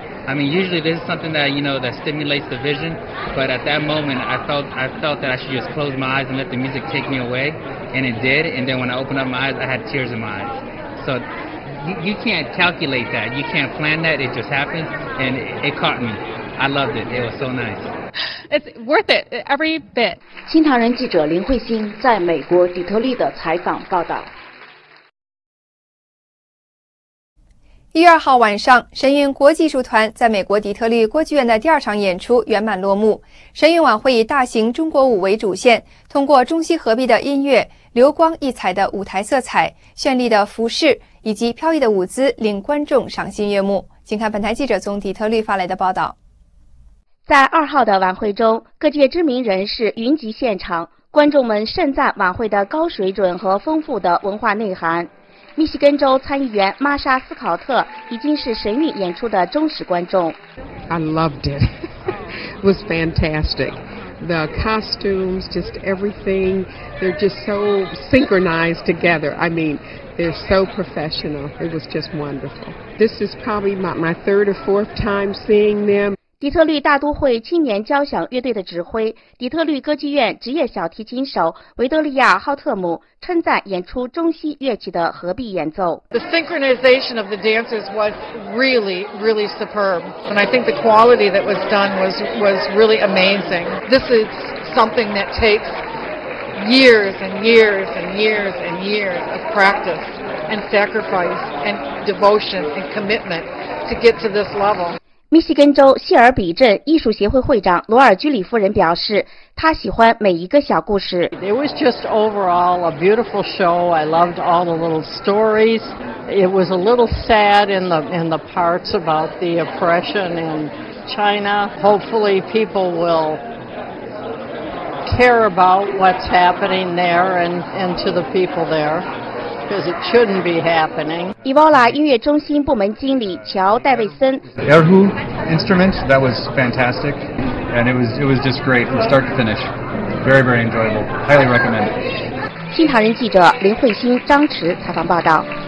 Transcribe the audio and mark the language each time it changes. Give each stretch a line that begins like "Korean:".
English: I mean, usually this is something that, you know, that stimulates the vision, but at that moment I felt that I should just close my eyes and let the music take me away, and it did, and then when I opened up my eyes, I had tears in my eyes. So you can't calculate that, you can't plan that, it just happened, and it caught me. I loved it, it was so nice. It's worth it, every bit.
Chinese: 新唐人记者林慧欣在美国底特律的采访报道。 1月2号晚上，神韵国际艺术团在美国底特律歌剧院的第二场演出圆满落幕。神韵晚会以大型中国舞为主线，通过中西合璧的音乐、流光溢彩的舞台色彩、绚丽的服饰以及飘逸的舞姿，令观众赏心悦目。请看本台记者从底特律发来的报道。在2号的晚会中，各界知名人士云集现场，观众们盛赞晚会的高水准和丰富的文化内涵。密西根州参议员玛莎·斯考特已经是神韵演出的忠实观众。
English: I loved it. It was fantastic. The costumes, just everything, they're just so synchronized together. I mean, they're so professional. It was just wonderful. This is probably my third or fourth time seeing them.
Chinese: 底特律大都会青年交响乐队的指挥、底特律歌剧院职业小提琴手维多利亚·浩特姆称赞演出中西乐器的合璧演奏。
English: The synchronization of the dancers was really, really superb. And I think the quality that was done was really amazing. This is something that takes years and years and years and years of practice and sacrifice and devotion and commitment to get to this level.
Chinese: 密西根州谢尔比镇艺术协会会长罗尔居里夫人表示，她喜欢每一个小故事。
English: It was just overall a beautiful show. I loved all the little stories. It was a little sad in the parts about the oppression in China. Hopefully, people will care about what's happening there and to the people there. Because it shouldn't be happening.
Chinese: Evola 音乐中心部门经理乔·戴维森。
English: The erhu instrument, that was fantastic. And it was just great from start to finish. Very, very enjoyable. Highly recommend.
Chinese: 新唐人记者林慧欣、张驰采访报道。